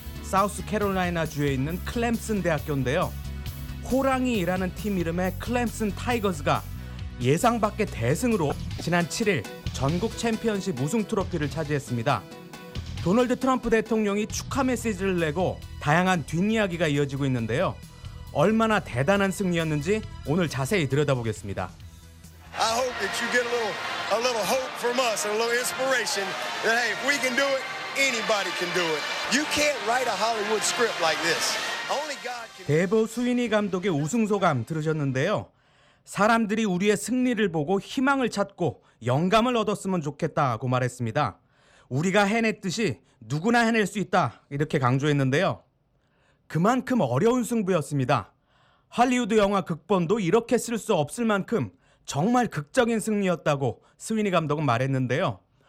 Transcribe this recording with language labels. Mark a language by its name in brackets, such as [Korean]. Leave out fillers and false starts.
[Korean] 사우스 캐롤라이나 주에 있는 클렘슨 대학교인데요. 호랑이라는 팀 이름의 클렘슨 타이거즈가 예상 밖의 대승으로 지난 7일 전국 챔피언십 우승 트로피를 차지했습니다. 도널드 트럼프 대통령이 축하 메시지를 내고 다양한 뒷이야기가 이어지고 있는데요. 얼마나 대단한 승리였는지 오늘 자세히 들여다보겠습니다. [English] I hope that you get a little hope from us, a little inspiration that hey, if we can do it, anybody can do it. You can't write a Hollywood script like this. Only God can. [Korean] 데브 수인이 감독의 우승 소감 들으셨는데요. 사람들이 우리의 승리를 보고 희망을 찾고 영감을 얻었으면 좋겠다고 말했습니다. 우리가 해냈듯이 누구나 해낼 수 있다 이렇게 강조했는데요. 그만큼 어려운 승부였습니다. 할리우드 영화 극본도 이렇게 쓸 수 없을 만큼 정말 극적인 승리였다고 스위니 감독은 말했는데요.